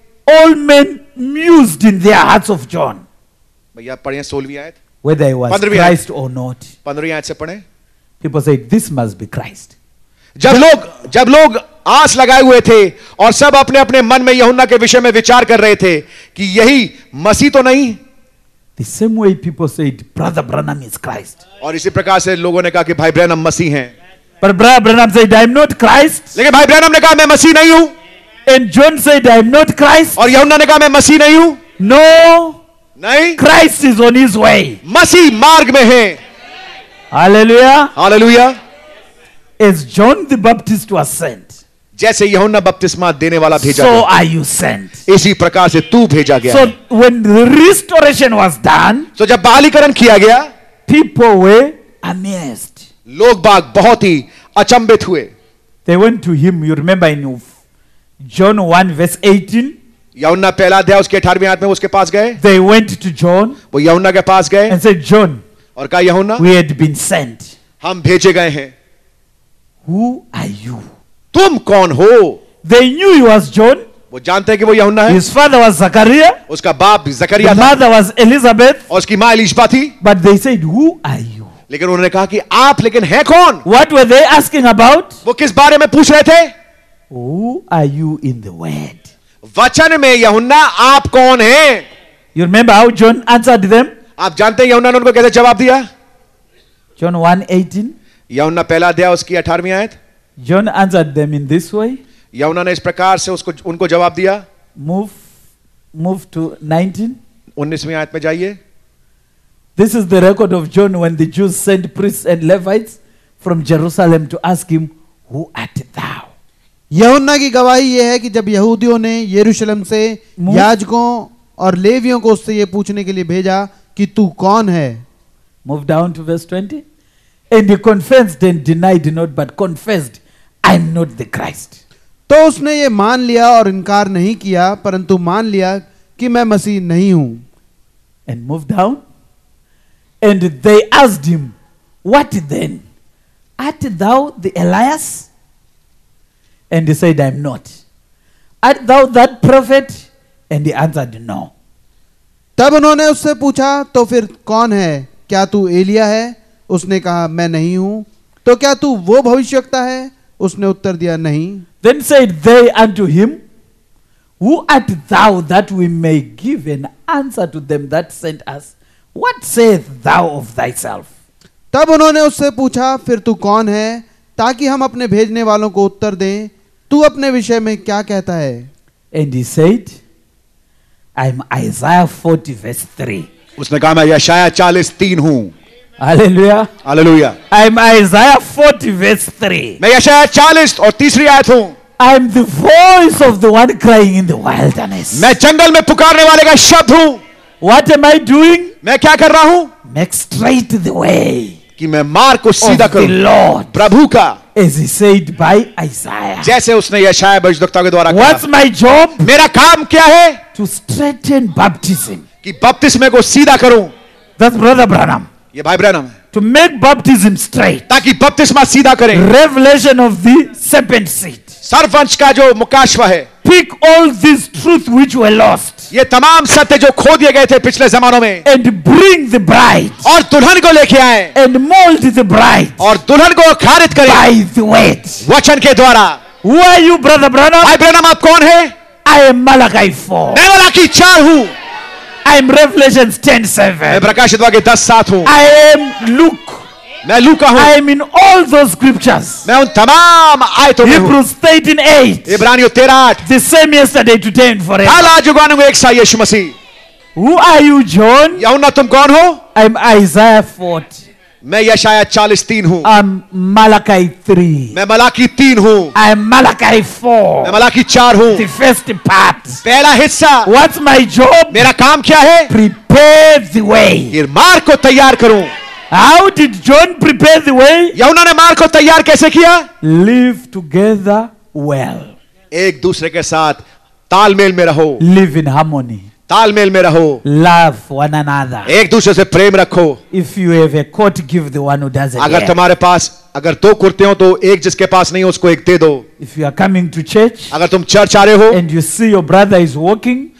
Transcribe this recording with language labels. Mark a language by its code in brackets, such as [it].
[en] All men mused in their hearts of John. [hi] भैया पढ़िए 16वीं आयत. [en] Whether he was Christ or not. [hi] 15वीं आयत से पढ़े. [en] People said, this must be Christ. [hi] जब लोग आस लगाए हुए थे और सब अपने अपने मन में यूहन्ना के विषय में विचार कर रहे थे कि यही मसीह तो नहीं. [en] The same way people said, Brother Branham is Christ. [hi] और इसी प्रकार से लोगों ने कहा कि भाई ब्रैनम मसीह हैं. [en] But Brother Branham said, I am not Christ. [hi] लेकिन भाई ब्रैनम ने कहा मैं मसीह नहीं हूं. [en] And John said, I am not Christ. [hi] और यूहन्ना ने कहा मैं मसीह नहीं हूं. [en] No. [hi] नहीं. [en] Christ is on his way. [hi] मसीह मार्ग में है. [en] Hallelujah. Hallelujah. As John the Baptist was sent. [hi] जैसे यूहन्ना बपतिस्मा देने वाला भेजा गया. [en] So are you sent. [hi] इसी प्रकार से तू भेजा गया. [en] So when the restoration was done. [hi] So जब बहालीकरण किया गया. [en] People were amazed. [hi] लोग बाग बहुत ही अचंभित हुए. [en] They went to him. You remember in John 1 verse 18. [hi] यूहन्ना पहला अध्याय उसके 18वें आयत में उसके पास गए. [en] They went to John. [hi] वो यूहन्ना के पास गए. [en] And said, John. [hi] और कहा यूहन्ना. [en] We had been sent. [hi] हम भेजे गए हैं. [en] Who are you? [hi] तुम कौन हो? [en] They knew he was John. [hi] वो जानते हैं कि वो यूहन्ना है. [en] His father was Zachariah. [hi] उसका बाप जकरिया था. [en] Mother was Elizabeth. [hi] और उसकी माँ एलिशबा थी. [en] But they said, Who are you? [hi] लेकिन उन्होंने कहा कि आप लेकिन हैं कौन? [en] What were they asking about? [hi] वो किस बारे में पूछ रहे थे? [en] Who are you in the word? [hi] वचन में यूहन्ना आप कौन है? [en] You remember how John answered them? [hi] आप जानते हैं यूहन्ना ने उनको कैसे जवाब दिया? [en] John 1:18. [hi] यूहन्ना पहला अध्याय उसकी 18वीं आयत. [en] John answered them in this way. [hi] यूहन्ना ने इस प्रकार से उसको उनको जवाब दिया. [en] Move to 19. [hi] 19वीं आयत में जाइए. [en] This is the record of John when the Jews sent priests and Levites from Jerusalem to ask him, Who art thou? [hi] यूहन्ना की गवाही यह है कि जब यहूदियों ने यरूशलेम से याजकों और लेवियों को उससे यह पूछने के लिए भेजा कि तू कौन है. [en] Move down to verse 20. And he confessed and denied not, but confessed, I am not the Christ. [hi] तो उसने ये मान लिया और इनकार नहीं किया, परंतु मान लिया कि मैं मसीह नहीं हूं. [en] And move down. And they asked him, What then? Art thou the Elias? And he said, I am not. Art thou that prophet? And he answered, No. [hi] तब उन्होंने उससे पूछा, तो फिर कौन है? क्या तू एलिया है? उसने कहा मैं नहीं हूं. तो क्या तू वो भविष्यवक्ता है? उसने उत्तर दिया नहीं. [en] Then said they unto him, Who art thou that we may give an answer to them that sent us? What sayest thou of thyself? [hi] तब उन्होंने उससे पूछा फिर तू कौन है ताकि हम अपने भेजने वालों को उत्तर दें. तू अपने विषय में क्या कहता है? [en] And he said, I am Isaiah 40 verse 3. [hi] उसने कहा मैं यशाया 40:3 हूं. [en] Hallelujah. Hallelujah. I am Isaiah 40 verse 3. [hi] मैं यशाया 40 और तीसरी आयत हूं. [en] I am the voice of the one crying in the wilderness. [hi] मैं जंगल में पुकारने वाले का शब्द हूं. [en] What am I doing? [hi] मैं क्या कर रहा हूं? [en] Make straight the way. [hi] कि मैं मार्ग को सीधा करूं. [en] Of the Lord. [hi] प्रभु का. [en] As he said by Isaiah. [hi] जैसे उसने यशाया भविष्यद्वक्ता के द्वारा कहा. [en] What's my job? [hi] मेरा काम क्या है? [en] To straighten baptism. [hi] कि बपतिस्मे को सीधा करूं. [en] That's Brother Branham. [hi] ये भाई ब्रैनम है. [en] To make baptism straight. [hi] ताकि बपतिस्मा सीधा करें. [en] Revelation of the serpent seed. [hi] सर्पवंश का जो मुकाशवा है. [en] Pick all these truths which were lost. [hi] ये तमाम सत्य जो खो दिए गए थे पिछले जमानों में. [en] And bring the bride. [hi] और दुल्हन को लेके आए. [en] And mold the bride. [hi] और दुल्हन को खारित करें. [en] By the word. [hi] वचन के द्वारा. [en] Who are you, Brother Branham? [hi] भाई ब्रैनम आप कौन है? [en] I am Malachi 4. [hi] मैं मलाकी 4 हूँ. [en] I am Revelation 10:7. [hi] मैं प्रकाशित वाक्य 10:7 हूँ. [en] I am Luke. [hi] मैं लूका हूँ. [en] I am in all those scriptures. [hi] मैं उन तमाम आयतों में हूँ. [en] Hebrews 13:8. [hi] इब्रानियों 13:8. [en] The same yesterday, today, and forever. [hi] कल आज और कल एक साथ यीशु मसीह. [en] Who are you, John? [hi] यूहन्ना तुम कौन हो? [en] I am Isaiah 40. [hi] मैं यशाया 40:3 हूँ. [en] I am Malachi 3. [hi] मैं मलाकी 3 हूँ. [en] I am Malachi 4. [hi] मैं मलाकी 4 हूँ. [en] The first part. [hi] पहला हिस्सा. [en] What's my job? [hi] मेरा काम क्या है? [en] Prepare the way. [hi] फिर मार्ग को तैयार करूँ. [en] How did John prepare the way? [hi] यूहन्ना ने मार्ग को तैयार कैसे किया? [en] Live together well. [hi] एक दूसरे के साथ तालमेल में रहो. [en] Live in harmony. [hi] तालमेल में रहो. [en] Love one another. [hi] एक दूसरे से प्रेम रखो. [en] If you have a coat, give the one who doesn't. [hi] अगर तुम्हारे पास अगर दो कुर्ते हो तो एक जिसके पास नहीं हो उसको एक दे दो. [en] If you are coming to church, [hi] अगर तुम चर्च आ रहे हो. [en] And you see your brother is walking,